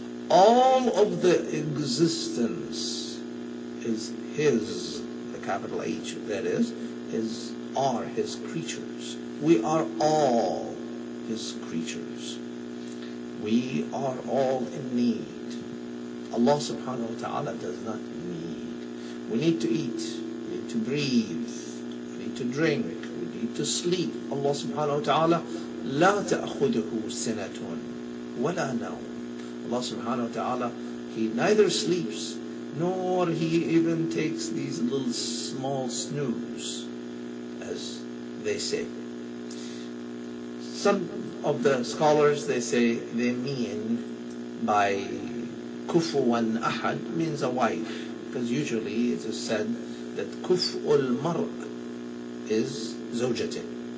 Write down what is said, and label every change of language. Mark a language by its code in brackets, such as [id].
[en] All of the existence is His, the capital H, that is, are His creatures. We are all His creatures. We are all in need. Allah subhanahu wa ta'ala does not need. We need to eat, we need to breathe, we need to drink, we need to sleep. [ar] Allah subhanahu wa ta'ala, لا تأخذه سنة ولا نوم. [en] Allah subhanahu wa ta'ala, He neither sleeps, nor He even takes these little small snooze, as they say. Some of the scholars, they say, they mean by kufuwan ahad means a wife, because usually it is said that kufu'ul mar' is zawjatin.